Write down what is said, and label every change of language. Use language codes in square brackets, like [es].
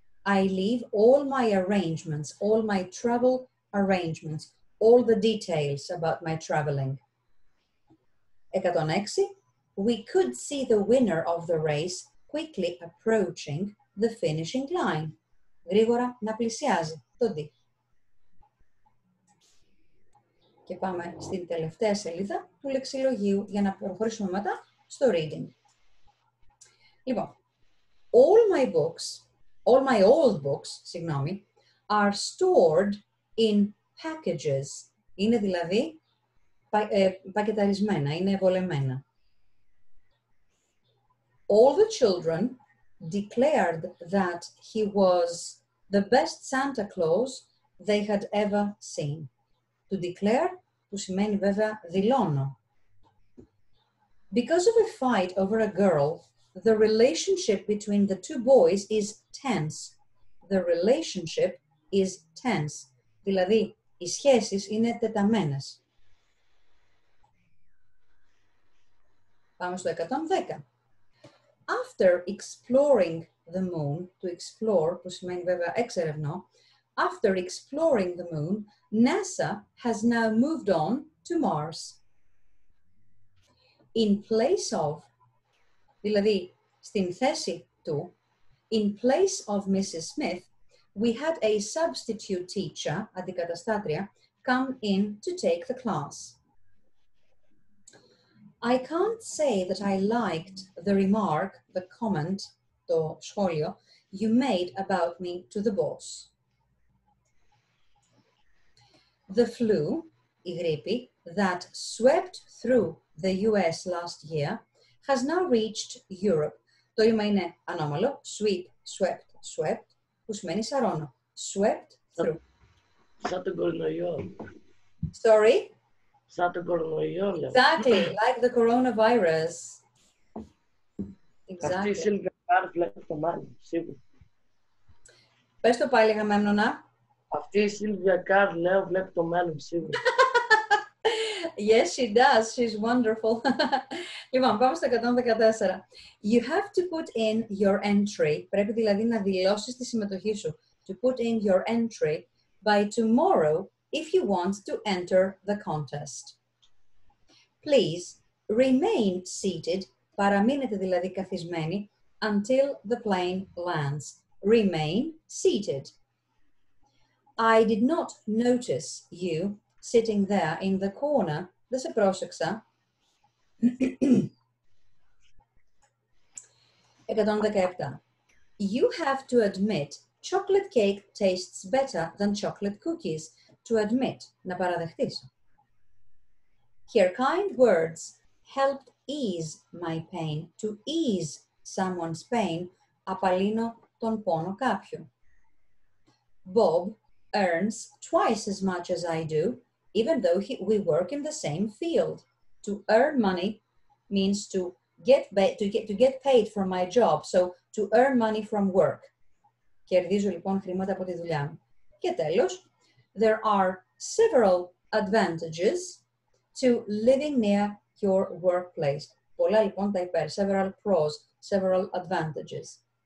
[en] I leave all my arrangements, all my travel arrangements, all the details about my traveling. 106. We could see the winner of the race quickly approaching the finishing line. [el] Γρήγορα να πλησιάζει το δί. Και πάμε στην τελευταία σελίδα του λεξιλογίου για να προχωρήσουμε μετά στο reading. [en] Λοιπόν, all my old books, are stored in packages. [el] Είναι δηλαδή πακεταρισμένα, είναι βολεμένα. [en] all the children declared that he was the best Santa Claus they had ever seen. To declare, [el] που σημαίνει βέβαια δηλώνω. [en] Because of a fight over a girl, the relationship between the two boys is tense. The relationship is tense. [el] Δηλαδή, οι σχέσεις είναι τεταμένες. Πάμε στο 110. [en] After exploring the moon, to explore, [el] που σημαίνει βέβαια εξερευνώ, [en] after exploring the moon, NASA has now moved on to Mars. In place of, [el] δηλαδή, στην θέση του, [en] in place of Mrs. Smith, we had a substitute teacher, [el] αντικαταστάτρια, [en] come in to take the class. I can't say that I liked the remark, the comment, [el] το σχόλιο, [en] you made about me to the boss. The flu, [el] η γρήπη, [en] that swept through the US last year, has now reached Europe. [el] Το είμα είναι ανώμαλο, [en] sweep, swept, swept, [el] που σημαίνει σαρώνω, [en] swept through. [el] Σαν τον κορονοϊό. [en] Sorry? [el] Σαν τον κορονοϊό. [en] Exactly, like the coronavirus. [el] Αυτή Σιλβεγκάρ βλέπει το μάλλον, σίγουρα. Πες το πάλι, Γαμέμνονα. Αυτή η Σίλβια Καρ, λέω, βλέπει το μέλλον σίγουρα. [en] Yes, she does. She's wonderful. [el] Λοιπόν, πάμε στο 114. [en] You have to put in your entry. [el] Πρέπει δηλαδή να δηλώσεις τη συμμετοχή σου. [en] To put in your entry by tomorrow if you want to enter the contest. Please remain seated. [el] Παραμείνετε δηλαδή καθισμένοι [en] until the plane lands. Remain seated. I did not notice you sitting there in the corner. [el] Δεν σε πρόσεξα. [en] 117. You have to admit chocolate cake tastes better than chocolate cookies. To admit, [el] να παραδεχτείς. [en] Her kind words helped ease my pain. To ease someone's pain, [el] απαλύνω τον πόνο κάποιου. [en] Bob earns twice as much as I do, even though we work in the same field. To earn money means to get paid for my job. So to earn money from work. [el] Κερδίζω λοιπόν χρήματα από τη δουλειά μου. Και τέλος, [en] there are several advantages to living near your workplace. [el] Πολλά λοιπόν τα υπέρ, [en] several pros, several advantages.